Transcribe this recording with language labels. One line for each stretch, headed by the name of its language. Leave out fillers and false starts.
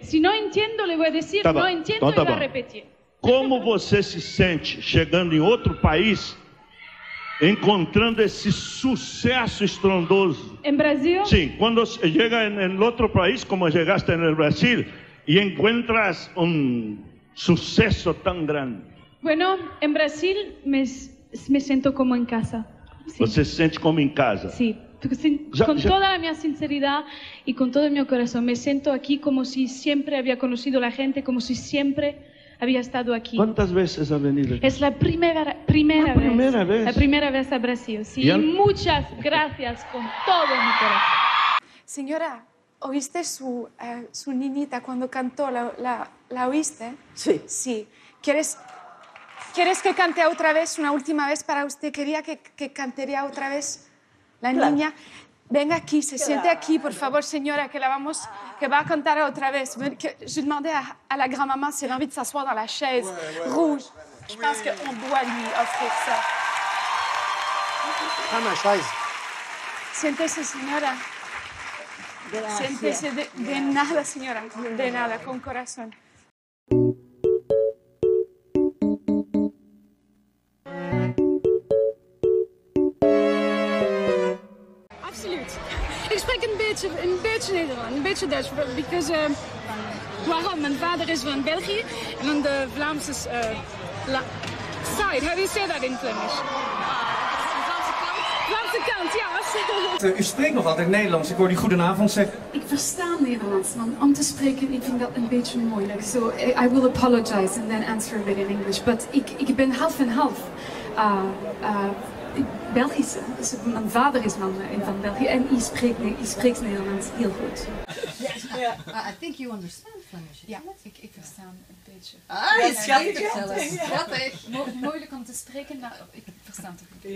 Spanish: Si no entiendo, le voy a decir, no entiendo, y va a repetir.
Portuguese: ¿Cómo você se sente chegando em outro país? Encontrando esse sucesso estrondoso. Em Brasil? Sim, quando chega em outro país, como chegaste no Brasil, e encontras um sucesso tão grande. Bueno, em Brasil me sinto como em casa. Você se sente como em casa? Sim.
Spanish: Con toda la mia sinceridad y con todo mi corazón, me siento aquí como si siempre había conocido la gente, como si siempre había estado aquí. ¿Cuántas veces has venido? Es la primera vez. La primera vez a Brasil. Sí. Y muchas gracias con todo mi corazón. Señora, ¿oíste su niñita cuando cantó? ¿La oíste? Sí. Sí. ¿Quieres que cante otra vez, una última vez para usted? ¿Quería que cantaría otra vez? La niña, claro. Venga aquí, se claro. Siente aquí, por favor, señora, que la vamos, que va a cantar otra vez.
French: Je demandais à la grand-mama si elle a envie de s'asseoir dans la chaise rouge. Je pense qu'on doit lui offrir ça. Prends ma chaise.
Spanish: Siéntese, señora. Siéntese de nada, señora. De nada, con corazón.
Dutch: Een beetje Nederland, een beetje Dutch,
English: because
Dutch: waarom? Mijn vader is van België en van de Vlaamse side.
English: How do you say that in Flemish?
Dutch: Vlaamse kant. Vlaamse kant, ja. U spreekt nog altijd Nederlands. Ik hoor die goedenavond zeggen. Ik versta Nederlands, man. Om te spreken, ik vind dat een beetje moeilijk.
English: So I will apologize and then answer a bit in English. But
Dutch: ik ben half en half. Belgische. Dus mijn vader is van België en hij spreekt Nederlands heel goed.
English: I think you understand Flemish.
Dutch: Ja, ik versta een beetje. Ah, is schattig. Moeilijk om te spreken, maar ik versta het een beetje.